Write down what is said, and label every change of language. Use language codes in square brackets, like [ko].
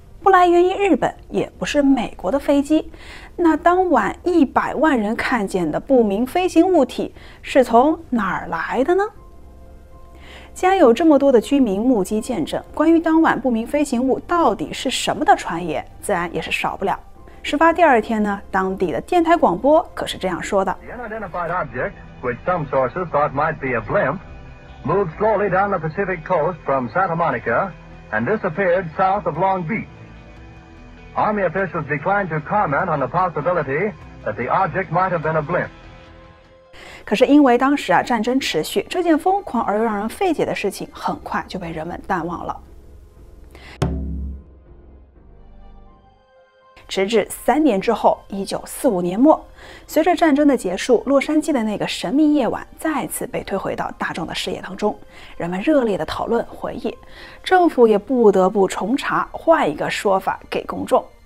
[zh] 不来源于日本，也不是美国的飞机，那当晚100万人看见的不明飞行物体是从哪儿来的呢？既然有这么多的居民目击见证关于当晚不明飞行物到底是什么的传言，自然也是少不了。事发第二天呢，当地的电台广播可是这样说的。 [en] The unidentified object, which some sources thought might be a blimp, moved slowly down the Pacific coast from Santa Monica and disappeared south of Long Beach. Army officials declined to comment on the possibility that the object might have been a blimp. [zh] 可是因为当时啊战争持续，这件疯狂而又让人费解的事情很快就被人们淡忘了。直至3年之后，1945年末，随着战争的结束，洛杉矶的那个神秘夜晚再次被推回到大众的视野当中，人们热烈的讨论回忆，政府也不得不重查，换一个说法给公众。